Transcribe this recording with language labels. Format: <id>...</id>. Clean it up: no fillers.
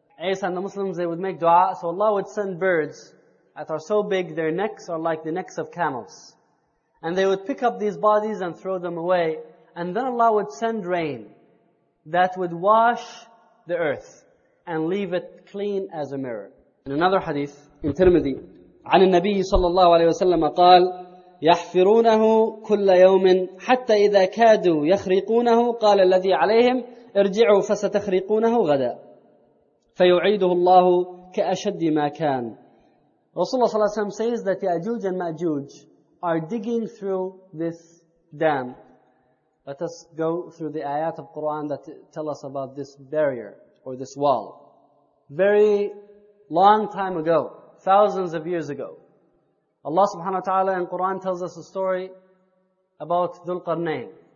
<en>Isa and the Muslims, they would make dua, so Allah would send birds that are so big, their necks are like the necks of camels. And they would pick up these bodies and throw them away. And then Allah would send rain that would wash the earth and leave it clean as a mirror. In another hadith, in Tirmidhi,</en> <ar>عن النبي صلى الله عليه وسلم قال يحفرونه كل يوم حتى إذا كادوا يخرقونه قال الذي عليهم ارجعوا فستخرقونه غدا فيعيده الله كأشد ما كان.</ar> <en>Rasulullah صلى الله عليه وسلم says that Ya'juj and Ma'juj are digging through this dam. Let us go through the ayat of Quran that tell us about this barrier or this wall. Very long time ago, thousands of years ago, Allah subhanahu wa ta'ala in Quran tells us a story about Dhul Qarnayn.</en>